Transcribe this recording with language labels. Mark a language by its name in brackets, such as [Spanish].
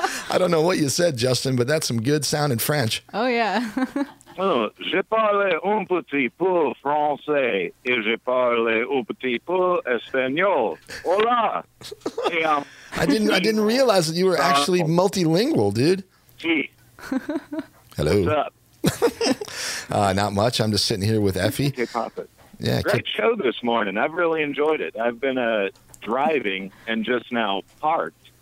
[English] I don't know what you said, Justin, but that's some good sound in French. Oh, yeah. [French] Je parle un petit peu français et je parle un petit peu espagnol. [Spanish] Hola. [English] I didn't realize that you were actually multilingual, dude. Hello. What's up? Not much. I'm just sitting here with Effie. Yeah, great show this morning. I've really enjoyed it. I've been driving and just now parked.